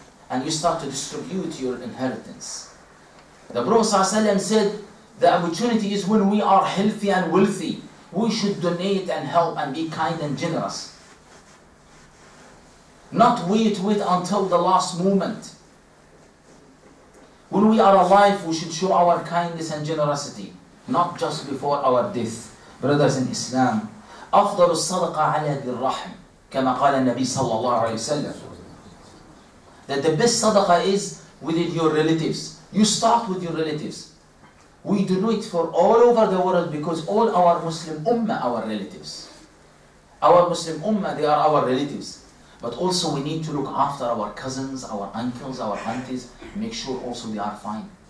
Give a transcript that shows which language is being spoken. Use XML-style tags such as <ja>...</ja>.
<en>And you start to distribute your inheritance. The Prophet ﷺ said, the opportunity is when we are healthy and wealthy. We should donate and help and be kind and generous. Not wait until the last moment. When we are alive, we should show our kindness and generosity, not just before our death. Brothers in Islam,</en> <ar>أفضل الصدقة على ذي الرحم كما قال النبي صلى الله عليه وسلم.</ar> <en>That the best sadaqah is within your relatives. You start with your relatives. We do it for all over the world because all our Muslim ummah are our relatives. Our Muslim ummah, they are our relatives. But also we need to look after our cousins, our uncles, our aunties, make sure also they are fine.</en>